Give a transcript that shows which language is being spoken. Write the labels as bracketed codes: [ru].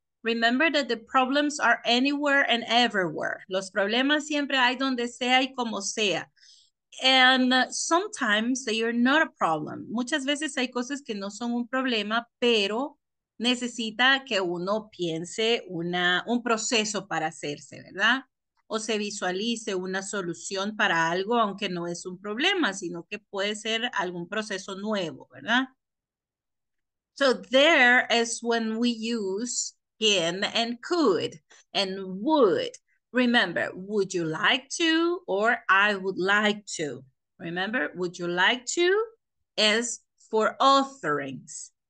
[en] Remember that the problems are anywhere and everywhere. [es] Los problemas siempre hay donde sea y como sea. [en] And sometimes they are not a problem. [es] Muchas veces hay cosas que no son un problema, pero necesita que uno piense un proceso para hacerse, ¿verdad? O se visualice una solución para algo, aunque no es un problema, sino que puede ser algún proceso nuevo, ¿verdad? [en] So there is when we use can and could and would. Remember, would you like to or I would like to. Remember, would you like to is for offerings.